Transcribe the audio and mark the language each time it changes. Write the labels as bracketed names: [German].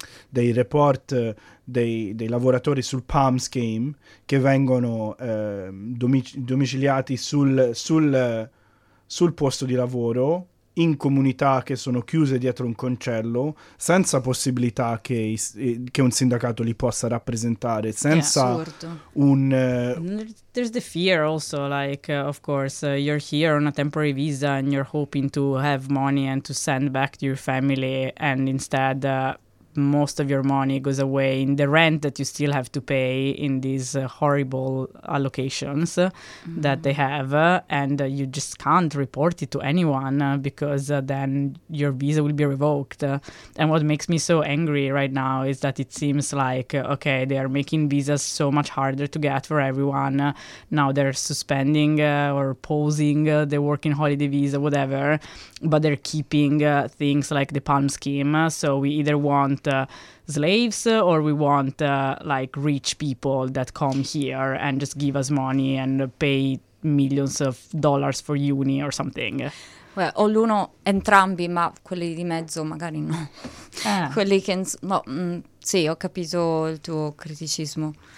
[Italian] report dei lavoratori sul Palm Scheme che vengono domiciliati sul posto di lavoro, in comunità che sono chiuse dietro un cancello, senza possibilità che un sindacato li possa rappresentare, senza un... [English] There's the fear also, like, of course, you're here on a temporary visa and you're hoping to have money and to send back to your family, and instead most of your money goes away in the rent that you still have to pay in these horrible allocations that they have, and you just can't report it to anyone because then your visa will be revoked. And what makes me so angry right now is that it seems like, okay, they are making visas so much harder to get for everyone. Now they're suspending or pausing the working holiday visa, whatever, but they're keeping things like the Palm Scheme. So we either want slaves, or we want like rich people that come here and just give us money and pay millions of dollars for uni or something. [Italian] Well, o l'uno, entrambi, ma quelli di mezzo magari no. Quelli che sì, ho capito il tuo criticismo.